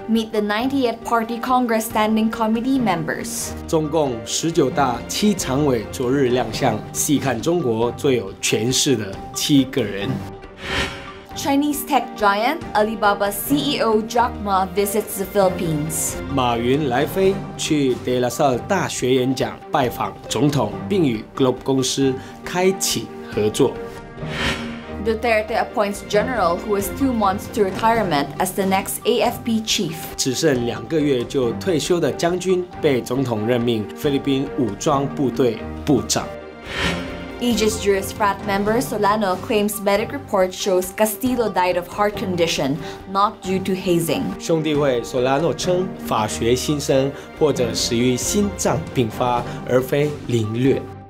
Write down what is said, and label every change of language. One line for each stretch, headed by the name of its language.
English: Meet the 98th Party Congress Standing Committee members.
Chinese: 中共19大七常委昨日亮相，细看中国最有权势的七个人。
English: Chinese tech giant Alibaba CEO Jack Ma visits the Philippines.
Chinese: 马云来飞去德拉萨尔大学演讲，拜访总统，并与 Globe 公司开启合作。
English: Duterte appoints general who is 2 months to retirement as the next AFP chief.
Chinese: 只剩两个月就退休的将军被总统任命菲律宾武装部队部长。
English: Aegis Juris Frat member Solano claims medic report shows Castillo died of heart condition, not due to hazing.
Chinese: 兄弟会 Solano 称法学新生或者死于心脏病发，而非凌虐。